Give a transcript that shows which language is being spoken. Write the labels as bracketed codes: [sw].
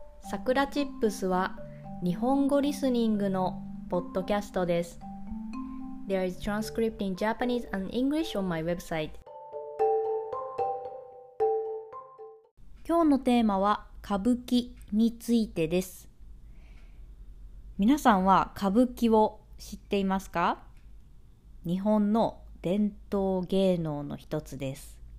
[ja] さくらチップスは日本語リスニングのポッドキャストです。 [en] There is transcript in Japanese and English on my website。 [ja] 今日のテーマは歌舞伎についてです。皆さんは歌舞伎を知っていますか？日本の伝統芸能の一つです。